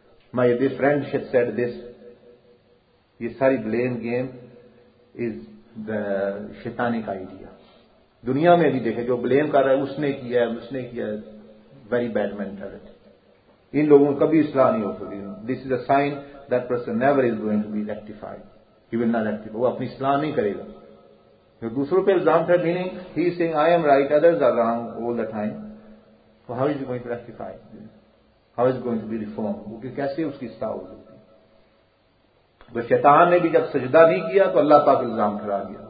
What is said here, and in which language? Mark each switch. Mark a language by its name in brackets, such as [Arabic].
[English] My friend said this. [Urdu] یہ ساری [English] blame game is the shaitanic idea. [Urdu] دنیا میں بھی دیکھے جو بلیم کر رہا ہے اس نے کیا [English] very bad mentality. [Urdu] ان لوگوں کو کبھی اصلاح نہیں ہو سکتی. [English] This is a sign that person never is going to be rectified. He will not rectify. [Urdu] وہ اپنی اصلاح نہیں کرے گا. جو دوسروں پہ الزام تھا [English] meaning he is saying I am right, others are wrong all the time. So how is he going to rectify? How is he going to be reformed? [Urdu] وہ کیسے اس کی اصلاح ہو سکتی. تو شیطان نے بھی جب سجدہ نہیں کیا تو اللہ پاک الزام کھڑا دیا.